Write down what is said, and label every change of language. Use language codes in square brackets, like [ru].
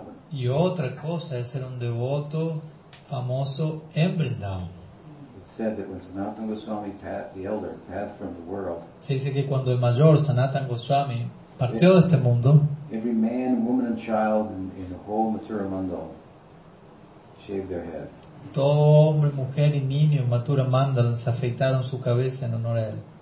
[es] Y otra cosa es ser un devoto famoso en Vrindavan. Se dice que cuando el mayor Sanatan Goswami partió de este mundo, [en] every man, woman, and child in the whole Mathura Mandal shaved their head. [es] Todo hombre, mujer y niño en Mathura Mandal se afeitaron su cabeza en honor a él.